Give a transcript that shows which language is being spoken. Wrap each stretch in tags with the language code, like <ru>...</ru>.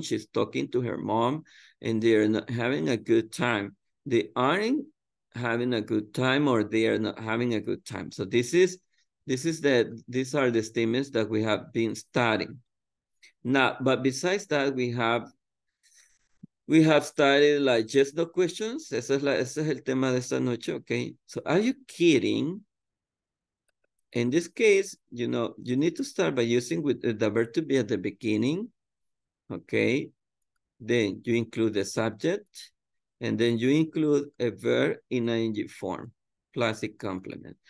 <en>She's talking to her mom and they are not having a good time. They aren't having a good time or they are not having a good time. So these are the statements that we have been studying. Now, but besides that, we have studied like yes, no questions.</en> <es>Ese es el tema de esta noche, okay?</es> <en>So are you kidding? In this case, you know, you need to start by using with the verb to be at the beginning, okay? Then you include the subject, and then you include a verb in ing form, plus a complement.</en>